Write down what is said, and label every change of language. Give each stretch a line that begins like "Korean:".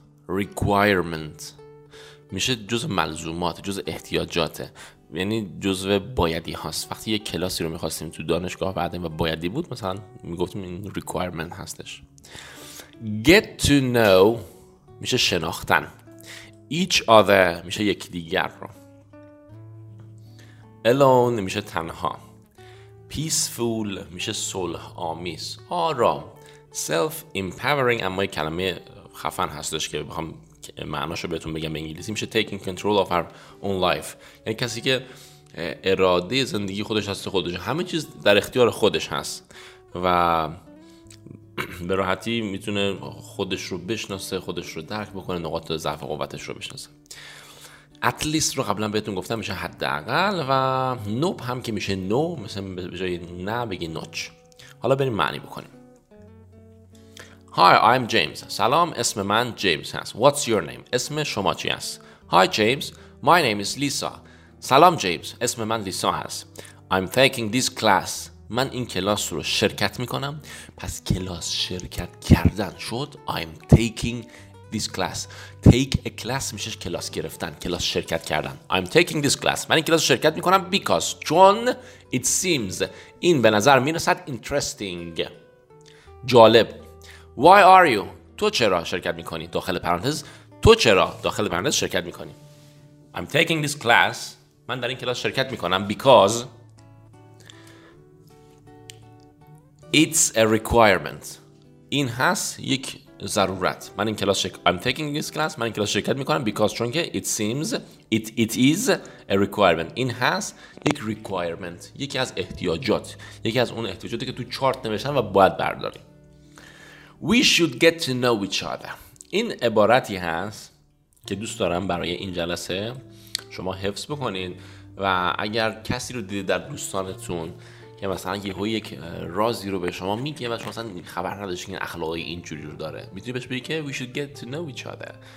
Persian: Requirement میشه جزء ملزومات، جزء احتیاجاته، یعنی جزء بایدی هاست. وقتی یه کلاسی رو میخواستیم تو دانشگاه بعدیم و بایدی بود، مثلا میگفتیم این requirement هستش.
English: Get to know
Persian: میشه شناختن.
English: Each other
Persian: میشه یک دیگر رو. Alone میشه تنها. Peaceful میشه صلح آمیز، آرام. Self-empowering اما یک کلمه خفن هستش که بخوام معناشو بهتون بگم به انگلیسی، میشه
English: taking control of our own life،
Persian: یعنی کسی که اراده زندگی خودش هست، خودش همه چیز در اختیار خودش هست و به راحتی میتونه خودش رو بشناسه، خودش رو درک بکنه، نقاط ضعف و قوتش رو بشناسه.
English: At least
Persian: رو قبلا بهتون گفتم میشه حداقل و nope هم که میشه no، مثلا به جای نه بگی notch. حالا بریم معنی بکنیم.
English: Hi, I'm James.
Persian: سلام، اسم من James هست.
English: What's your name؟
Persian: اسم شما چی هست؟
English: Hi, James. My name is Lisa.
Persian: سلام James. اسم من لیسا هست.
English: I'm taking this class.
Persian: من این کلاس رو شرکت میکنم. پس کلاس شرکت کردن شد.
English: I'm taking this class. Take a class
Persian: میشه کلاس گرفتن، کلاس شرکت کردن.
English: I'm taking this class.
Persian: من این کلاس شرکت میکنم because چون
English: it seems
Persian: این به نظر میرسد interesting، جالب.
English: Why are you؟
Persian: تو چرا شرکت میکنی؟ داخل پرانتز تو چرا داخل پرانتز شرکت میکنی؟
English: I'm taking this class.
Persian: من در این کلاس شرکت میکنم
English: because it's a requirement.
Persian: این هست یک ضرورت.
English: من این class I'm taking this class.
Persian: من این کلاس شرکت میکنم because چون که
English: it seems it is a requirement.
Persian: این هست یک requirement، یکی از احتیاجات، یکی از اون احتیاجاتی که تو چارت نوشتن و باید برداری.
English: We should get to know each other.
Persian: این عبارتی هست که دوست دارم برای این جلسه شما حفظ بکنید و اگر کسی رو دیدید در دوستانتون که مثلا یهو یک رازی رو به شما میگه و شما مثلا خبر نداشتید که اخلاقی اینجوری رو داره، میتونی بهش بگی که
English: We should get to know each other.